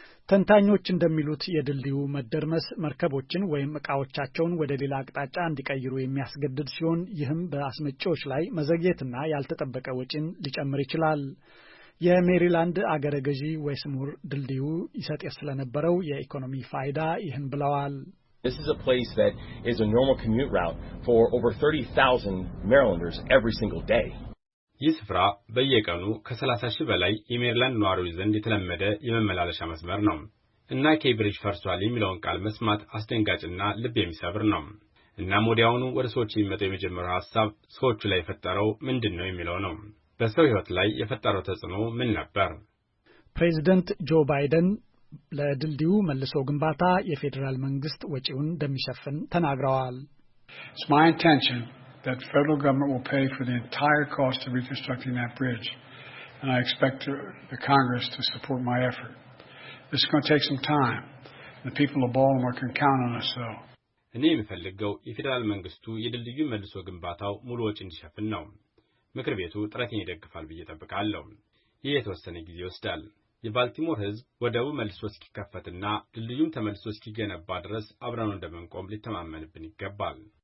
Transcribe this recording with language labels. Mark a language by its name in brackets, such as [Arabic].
[Amharic] ተንታኞች እንደሚሉት የድልድዩ መደርመስ መርከቦችን ወይም ዕቃዎቻቸውን ወደ ሌላ አቅጣጫ እንዲቀይሩ የሚያስገድድ ሲሆን ይህም በአስመጪዎች ላይ መዘግየትና ያልተጠበቀ ወጪን ሊጨምር ይችላል። የሜሪላንድ አገረ ገዢ ዌስሙር ድልድዩ ይሰጥ ስለነበረው የኢኮኖሚ ፋይዳ ይህን ብለዋል። [English] This is a place that is a normal commute route for over 30,000 Marylanders every single day. [Amharic] ይህ ስፍራ በየቀኑ ከ30,000 በላይ የሜሪላንድ ነዋሪዎች ዘንድ የተለመደ የመመላለሻ መስመር ነው። እና ኬብሪጅ ፈርሷል የሚለውን ቃል መስማት አስደንጋጭና ልብ የሚሰብር ነው። እና ሞዲያውኑ ወደ ሰዎች የሚመጣ የመጀመሪያው ሐሳብ ሰዎቹ ላይ የፈጠረው ምንድን ነው የሚለው ነው። በሰው ሕይወት ላይ የፈጠረው ተጽዕኖ ምን ነበር? ፕሬዚደንት ጆ ባይደን ለድልድዩ መልሶ ግንባታ የፌዴራል መንግስት ወጪውን እንደሚሸፍን ተናግረዋል። [English] It's my intention that the federal government will pay for the entire cost of reconstructing that bridge. and I expect the Congress to support my effort. This is going to take some time. The people of Baltimore can count on us, so. [Amharic] እኔ የምፈልገው የፌደራል መንግስቱ የድልድዩ መልሶ ግንባታው ሙሉ ወጪ እንዲሸፍን ነው። ምክር ቤቱ ጥረቴን ይደግፋል ብዬ ጠብቃለሁ። ይህ የተወሰነ ጊዜ ይወስዳል። የባልቲሞር ህዝብ ወደቡ መልሶ እስኪከፈትና ድልድዩን ተመልሶ እስኪገነባ ድረስ አብረን እንደምንቆም ሊተማመንብን ይገባል።